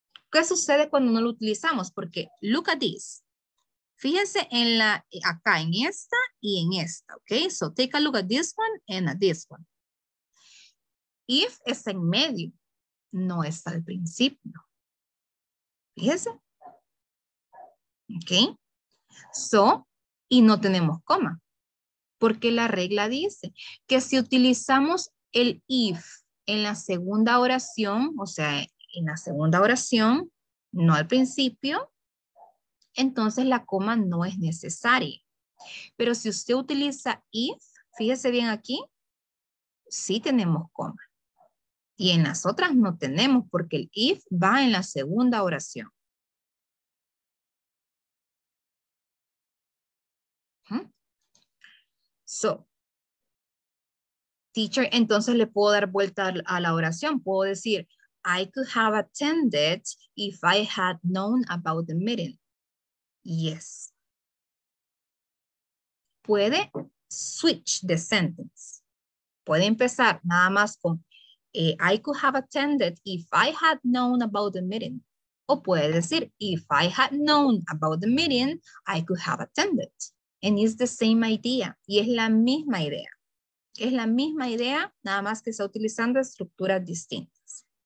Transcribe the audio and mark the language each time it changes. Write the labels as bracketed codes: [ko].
[es] ¿Qué sucede cuando no lo utilizamos? Porque, [en] look at this. [es] Fíjense en la, acá en esta y en esta, ¿ok? [en] So, take a look at this one and at this one. [es] If está en medio, no está al principio. Fíjense. ¿Ok? So, y no tenemos coma. Porque la regla dice que si utilizamos el if en la segunda oración, o sea, en la segunda oración, no al principio, entonces la coma no es necesaria. Pero si usted utiliza if, fíjese bien aquí, sí tenemos coma. Y en las otras no tenemos porque el if va en la segunda oración. So, teacher, entonces le puedo dar vuelta a la oración. Puedo decir, [en] I could have attended if I had known about the meeting. Yes. Puede switch the sentence. [es] Puede empezar nada más con [en] I could have attended if I had known about the meeting. [es] O puede decir, [en] if I had known about the meeting, I could have attended. And it's the same idea. [es] Y es la misma idea. Es la misma idea, nada más que está utilizando estructuras distintas.